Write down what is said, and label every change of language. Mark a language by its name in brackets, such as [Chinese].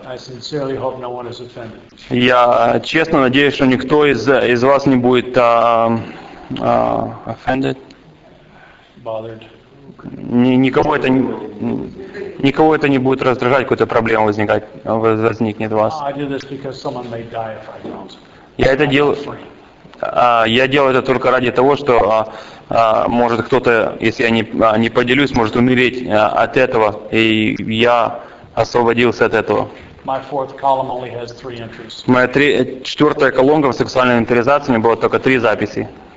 [English] I sincerely hope no one is offended. [Russian] Я честно надеюсь, что никто из вас не будет offended. [English] Bothered. [Russian] Никого это не будет раздражать, какую-то проблему возникнет у вас. [English] I do this because someone may die if I don't. [Russian] Я делаю это только ради того, что может кто-то, если я не поделюсь, может умереть от этого, и я освободился от этого. Моя четвертая колонка в сексуальной инвентаризации была только три записи.